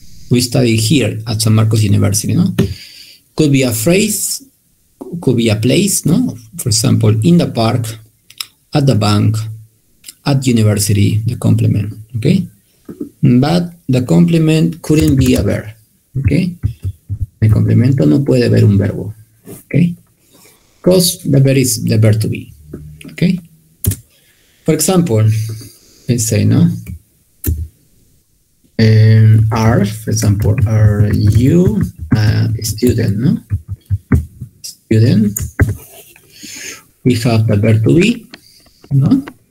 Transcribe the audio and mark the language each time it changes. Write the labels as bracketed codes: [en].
[en] We study here at San Marcos University, no? Could be a phrase, could be a place, no? For example, in the park, at the bank, at university, the complement, okay? But the complement couldn't be a verb, okay? [es] El complemento no puede ver un verbo, okay? [en] Because the verb is the verb to be, okay? For example, let's say, no? Are, for example, are you a student, no? Student, we have the verb to be, no?